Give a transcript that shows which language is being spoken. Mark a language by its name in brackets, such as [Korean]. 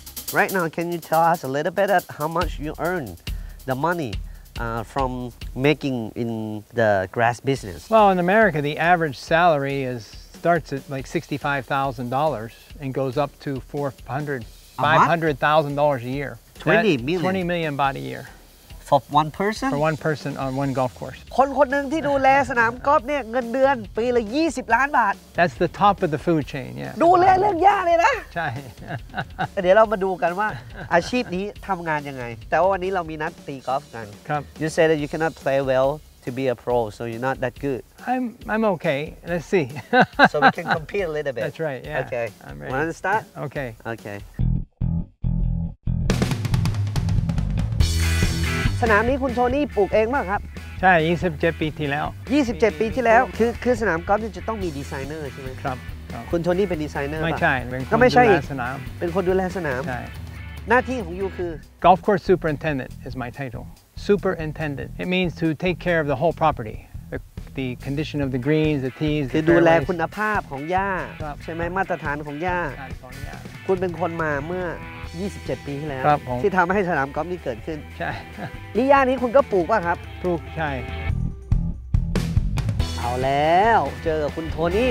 [English] Right now, can you tell us a little bit at how much you earn the money from making in the grass business? Well, in America, the average salary starts at like $65,000 and goes up to $500,000 a year. 20 million? 20 million baht a year. For one person? For one person on one golf course. [Thai] คนคนหนึ่งที่ดูแลสนามกอล์ฟเนี่ยเงินเดือนปีละ20ล้านบาท [English] That's the top of the food chain, yeah. [Thai] ดูแลเรื่องหญ้าเลยนะ ใช่ เดี๋ยวเรามาดูกันว่าอาชีพนี้ทำงานยังไงแต่ว่าวันนี้เรามีนัดตีกอล์ฟกัน ครับ [English] You say that you cannot play well to be a pro, so you're not that good. I'm okay, let's see. So we can compete a little bit. That's right, yeah. Okay, I'm ready. Want to start? Okay. Okay. [Thai] สนามนี้คุณโทนี่ปลูกเองป่ะครับ ใช่27ปีที่แล้ว 27ปีที่แล้วคือสนามกอล์ฟจะต้องมีดีไซเนอร์ใช่ไหม ครับ คุณโทนี่เป็นดีไซเนอร์ ไม่ใช่เป็นคนดูแลสนาม เป็นคนดูแลสนาม ใช่หน้าที่ของยูคือ [English] Golf Course Superintendent is my title Superintendent it means to take care of the whole propertythe condition of the greens the tees [Thai] คือดูแลคุณภาพของหญ้าใช่ไหมมาตรฐานของหญ้าคุณเป็นคนมาเมื่อ27ปีที่แล้ว ครับผม ที่ทำให้สนามกอล์ฟนี้เกิดขึ้น ใช่ นี่หญ้านี้คุณก็ปลูกป่ะครับ ปลูกใช่เอาแล้วเจอกับคุณโทนี